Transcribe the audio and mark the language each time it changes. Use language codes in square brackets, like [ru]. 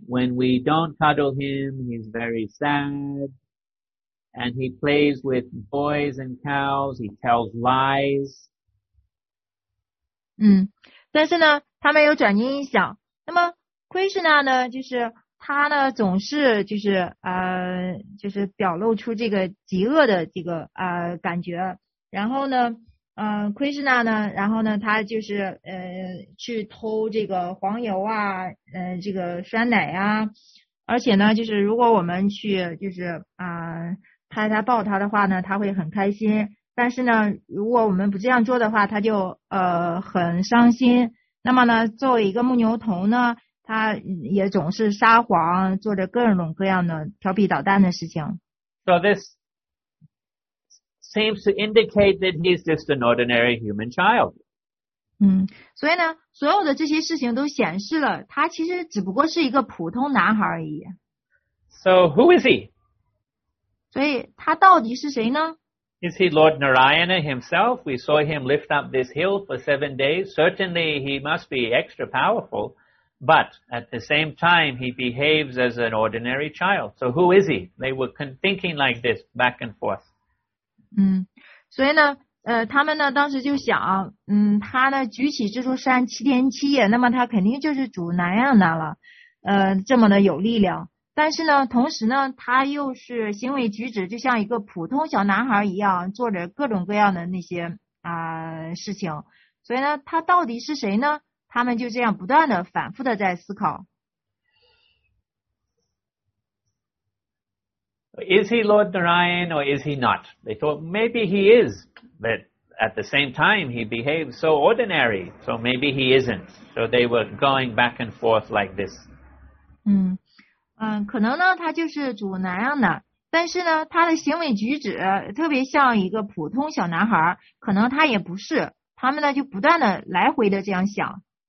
[en] When we don't cuddle him, he's very sad. And he plays with boys and cows, he tells lies. [zh] 但是呢，他们又转念一想，那么 Krishna 呢，就是他呢总是就是表露出这个饥饿的这个感觉，然后呢Krishna 呢，然后呢他就是去偷这个黄油啊，这个酸奶啊，而且呢就是如果我们去就是拍他抱他的话呢，他会很开心，但是呢如果我们不这样做的话，他就很伤心。那么呢作为一个牧牛童呢，他也总是撒谎，做着各种各样的调皮捣蛋的事情。 [en] So this seems to indicate that he's just an ordinary human child. [zh] 所以呢，所有的这些事情都显示了他其实只不过是一个普通男孩而已。 [en] So who is he? [zh] 所以他到底是谁呢？ [en] Is he Lord Narayana himself? We saw him lift up this hill for 7 days. Certainly he must be extra powerful. But at the same time, he behaves as an ordinary child. So who is he? They were thinking like this back and forth. [zh] 所以呢，他们呢当时就想，他呢举起这座山七天七夜，那么他肯定就是主南亚那了，这么的有力量。但是呢，同时呢，他又是行为举止就像一个普通小男孩一样，做着各种各样的那些事情。所以呢，他到底是谁呢？他们就这样不断的反复的在思考。 [en] Is he Lord Narayan or is he not? They thought maybe he is, but at the same time he behaves so ordinary, so maybe he isn't. So they were going back and forth like this. [zh] 可能呢他就是主南亚的，但是呢他的行为举止特别像一个普通小男孩，可能他也不是，他们呢就不断的来回的这样想。